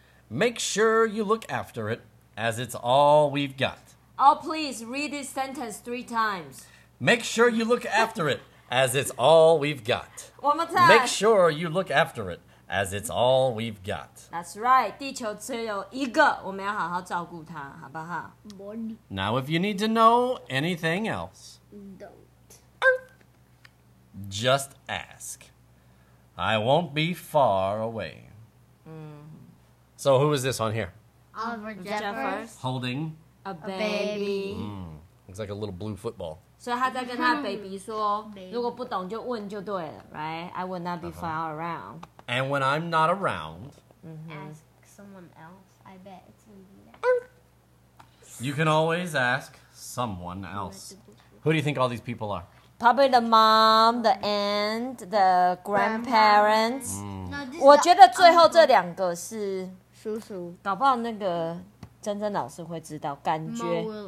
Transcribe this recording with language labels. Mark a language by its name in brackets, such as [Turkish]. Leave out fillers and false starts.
[English] Make sure you look after it, as it's all we've got. Oh, please, read this sentence 3 times. Make sure you look after it, as it's all we've got. One more time. Make sure you look after it, as it's all we've got. That's right. [Chinese] 地球只有一个，我们要好好照顾它，好不好？ [English] Now, if you need to know anything else, don't. Just ask. I won't be far away. So, who is this on here? Oliver Jeffers. Holding a baby. Looks like a little blue football. [Chinese] So, 他在跟他baby说，如果不懂就问就对了，right? [English] I will not be far around. And when I'm not around, ask someone else. I bet it's gonna be. You can always ask someone else. Who do you think all these people are? Probably the mom, the aunt, the grandparents. [Chinese] 我觉得最后这两个是叔叔，搞不好那个真正老师会知道，感觉。